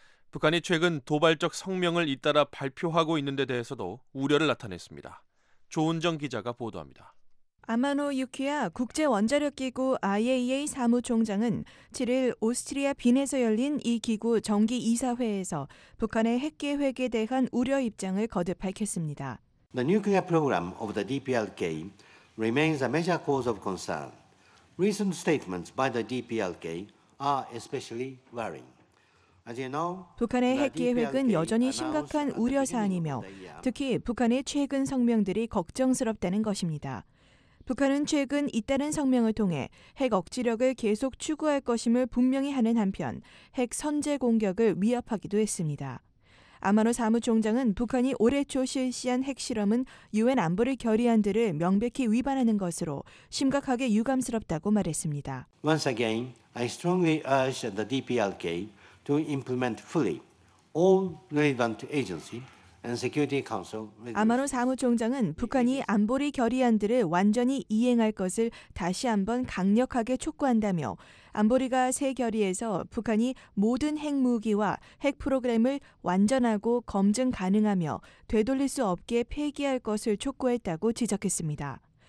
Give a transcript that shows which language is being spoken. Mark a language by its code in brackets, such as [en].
[ko] 북한이 최근 도발적 성명을 잇따라 발표하고 있는 데 대해서도 우려를 나타냈습니다. 조은정 기자가 보도합니다. 아마노 유키아 국제원자력기구 IAEA 사무총장은 7일 오스트리아 빈에서 열린 이 기구 정기이사회에서 북한의 핵계획에 대한 우려 입장을 거듭 밝혔습니다. [en] The nuclear program of the DPRK remains a major cause of concern. Recent statements by the DPRK are especially worrying. [ko] 북한의 핵계획은 여전히 심각한 우려사안이며 특히 북한의 최근 성명들이 걱정스럽다는 것입니다. 북한은 최근 잇따른 성명을 통해 핵 억지력을 계속 추구할 것임을 분명히 하는 한편 핵 선제 공격을 위협하기도 했습니다. 아마노 사무총장은 북한이 올해 초 실시한 핵실험은 유엔 안보리 결의안들을 명백히 위반하는 것으로 심각하게 유감스럽다고 말했습니다. [en] Once again, I strongly urge the DPRK to implement fully all relevant agency and security council. [ko] 아마노 사무총장은 북한이 안보리 결의안들을 완전히 이행할 것을 다시 한번 강력하게 촉구한다며 안보리가 새 결의에서 북한이 모든 핵무기와 핵 프로그램을 완전하고 검증 가능하며 되돌릴 수 없게 폐기할 것을 촉구했다고 지적했습니다.